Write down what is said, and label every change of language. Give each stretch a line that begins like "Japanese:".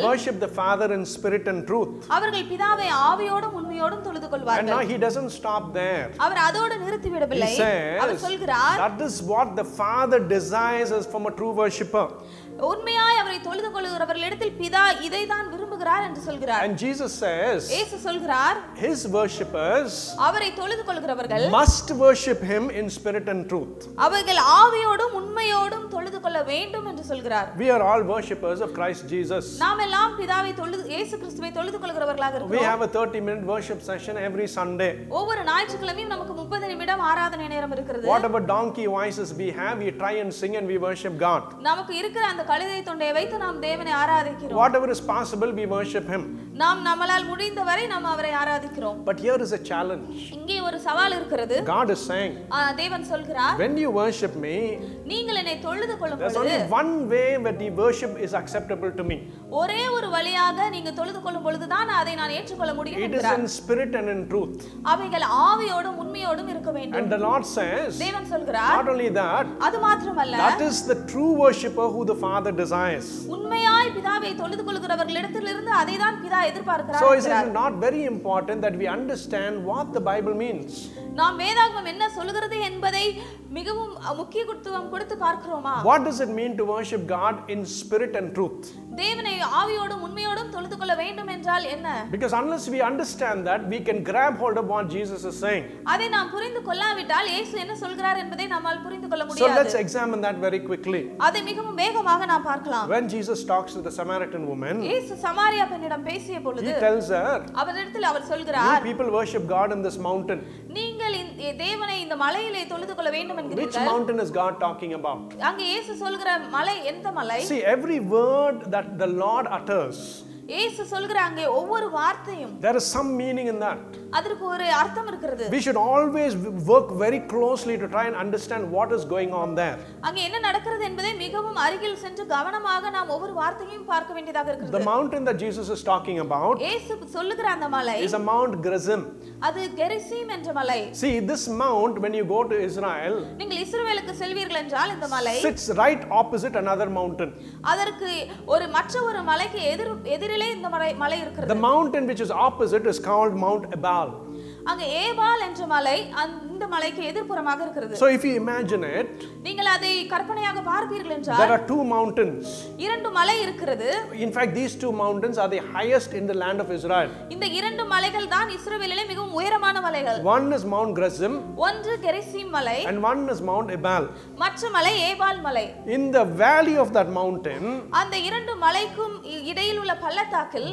English: Will worship the Father in spirit and truth.
Tamil: அவர்கள் பிதாவை ஆவியோடும் உண்மையோடும் தொழுது கொள்வார்கள்.
English: And now he doesn't stop there.
Tamil: அவர் அதோடு நிறுத்தி விடவில்லை. அவர் சொல்கிறார்.
English: That is what the Father desires as from a true worshipper.
Tamil: உண்மையாய் அவரை தொழுது கொள்கிறவர்கள் இடத்தில் பிதா இதை தான் விரும்புகிறார் என்று சொல்கிறார்.
English: And Jesus says.
Tamil: இயேசு சொல்கிறார்.
English: His worshippers.
Tamil: அவரை தொழுது கொள்கிறவர்கள்.
English: Must worship him in spirit and truth.
Tamil: அவர்கள் ஆவியோடும் உண்மையோடும் தொழுது கொள்ள வேண்டும் என்று சொல்கிறார்.
English: We are all worshippers of Christ Jesus.
Tamil: நாம் எல்லாம் பிதாவை தொழுது இயேசு கிறிஸ்துவை தொழுது கொள்கிறவர்களாக இருக்கிறோம்.
English: We have a 30 minute worship session every Sunday.
Tamil: ஒவ்வொரு ஞாயிற்றுக்கிழமையும் நமக்கு 30 நிமிடம் ஆராதனை நேரம் இருக்கிறது.
English: Whatever donkey voices we have, we try and sing and we worship God.
Tamil: நமக்கு இருக்கிற அந்த கழுதை தொண்டை வைத்து நாம் தேவனை ஆராதிக்கிறோம்.
English: Whatever is possible, we worship him.
Tamil: நாம் நம்மால் முடிந்தவரை நாம் அவரை ஆராதிக்கிறோம்.
English: But here is a challenge.
Tamil: இங்கே ஒரு சவால் இருக்கிறது.
English: God is saying.
Tamil: தேவன் சொல்கிறார்.
English: When you worship me,
Tamil: நீங்கள் என்னை தொழுது கொள்ளும் பொழுது,
English: there's only one way that the worship is acceptable to me.
Tamil: ஒரே ஒரு வழியாக நீங்கள் தொழுது கொள்ளும் பொழுது தான் அதை நான் ஏற்றுக்கொள்ள முடியும் என்கிறார்.
English: It is in spirit and in truth.
Tamil: அவைகள் ஆவியோடும் உண்மையோடும் இருக்க வேண்டும்.
English: And the Lord says.
Tamil: தேவன் சொல்கிறார்.
English: Not only that.
Tamil: அது மட்டுமல்ல.
English: That is the true worshipper who the Father desires.
Tamil: உண்மையாய் பிதாவை தொழுது கொள்கிறவர்கள் இடத்திலிருந்து அதைதான் பிதா எதிர்பார்க்கிறார்.
English: So it is not very important that we understand what the Bible means.
Tamil: நாம் வேதாகமம் என்ன சொல்கிறது என்பதை மிகவும் முக்கியத்துவம் கொடுத்து பார்க்கிறோமா?
English: What does it mean to worship God in spirit and truth?
Tamil: தேவனை ஆவியோடும் உண்மையோடும் தொழுது கொள்ள வேண்டும் என்றால் என்ன?
English: Because unless we understand that, we can grab hold of what Jesus is saying.
Tamil: அதை நாம் புரிந்து கொள்ளாவிட்டால் இயேசு என்ன சொல்கிறார் என்பதை நம்மால் புரிந்து கொள்ள முடியாது.
English: So let's examine that very quickly.
Tamil: அதை மிகவும் வேகமாக நாம் பார்க்கலாம்.
English: When Jesus talks to the Samaritan woman,
Tamil: இயேசு சமாரியா பெண்ணிடம் பேசிய பொழுது,
English: He tells her,
Tamil: அவரிடத்தில் அவர் சொல்கிறார்,
English: You people worship God in this mountain.
Tamil: நீங்கள் தேவனை இந்த மலையிலே தொழுது கொள்ள வேண்டும் என்கிறீர்கள்.
English: Which mountain is God talking about?
Tamil: அங்கு இயேசு சொல்கிற மலை எந்த மலை?
English: See, every word that the Lord utters,
Tamil: இயேசு சொல்கிறாங்க ஒவ்வொரு வார்த்தையும்,
English: there is some meaning in that.
Tamil: அதற்கு ஒரு அர்த்தம் இருக்கிறது.
English: We should always work very closely to try and understand what is going on there.
Tamil: அங்க என்ன நடக்கிறது என்பதை மிகவும் அருகில் சென்று கவனமாக நாம் ஒவ்வொரு வார்த்தையும் பார்க்க வேண்டியதாக இருக்கிறது.
English: The mountain that Jesus is talking about,
Tamil: இயேசு சொல்லுகிற அந்த மலை,
English: is a Mount Gerizim.
Tamil: அது கெரிசீம் என்ற மலை.
English: See this mount, when you go to Israel,
Tamil: நீங்கள் இஸ்ரவேலுக்கு செல்வீர்கள் என்றால் இந்த மலை
English: sits right opposite another mountain.
Tamil: அதற்கு ஒரு மற்ற ஒரு மலைக்கு எதிரில் இந்த மலை இருக்கிறது.
English: The mountain which is opposite is called Mount Ebal.
Tamil: அங்க ஏபால் என்ற மலை அந்த மலைக்கு எதிர்புறமாக இருக்கிறது.
English: So if you imagine it,
Tamil: நீங்கள் அதை கற்பனையாக பார்ப்பீர்கள் என்றால்,
English: there are two mountains.
Tamil: இரண்டு மலை இருக்கிறது.
English: In fact these two mountains are the highest in the land of Israel.
Tamil: இந்த இரண்டு மலைகள் தான் இஸ்ரவேலிலே மிகவும் உயரமான மலைகள்.
English: One is Mount Gerizim.
Tamil: ஒன்று கெரிசீம் மலை.
English: And one is Mount Ebal.
Tamil: மற்ற மலை ஏபால் மலை.
English: In the valley of that mountain,
Tamil: அந்த இரண்டு மலைக்கும் இடையில் உள்ள பள்ளத்தாக்கில்,